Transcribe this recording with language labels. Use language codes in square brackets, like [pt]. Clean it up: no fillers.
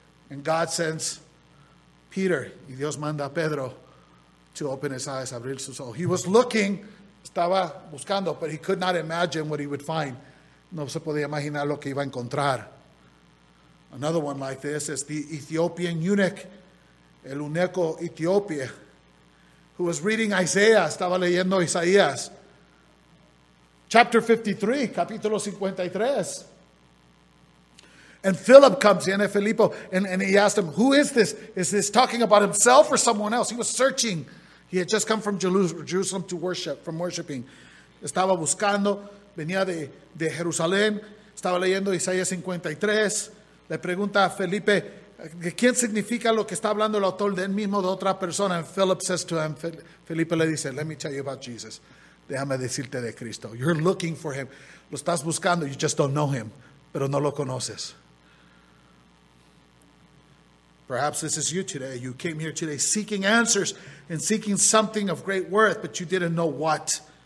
[en] And God sends Peter, [es] y Dios manda a Pedro [en] to open his eyes, [es] abrir sus ojos. [en] He was looking, [es] estaba buscando, [en] but he could not imagine what he would find. [es] No se podía imaginar lo que iba a encontrar. [en] Another one like this is the Ethiopian eunuch, [es] el eunuco Etiopía, [en] who was reading Isaiah, [es] estaba leyendo Isaías. [en] Chapter 53, [es] capítulo 53. [en] And Philip comes in, and Filippo, and he asked him, who is this? Is this talking about himself or someone else? He was searching. He had just come from Jerusalem to worship, from worshiping. [es] Estaba buscando, venía de Jerusalén, estaba leyendo Isaías 53. Le pregunta a Felipe, ¿quién significa lo que está hablando el autor de él mismo, de otra persona? [en] And Philip says to him, [es] Felipe le dice, [en] let me tell you about Jesus. [es] Déjame decirte de Cristo. [en] You're looking for him. [es] Lo estás buscando, [en] you just don't know him. [es] Pero no lo conoces. [en] Perhaps this is you today. You came here today seeking answers and seeking something of great worth, but you didn't know what.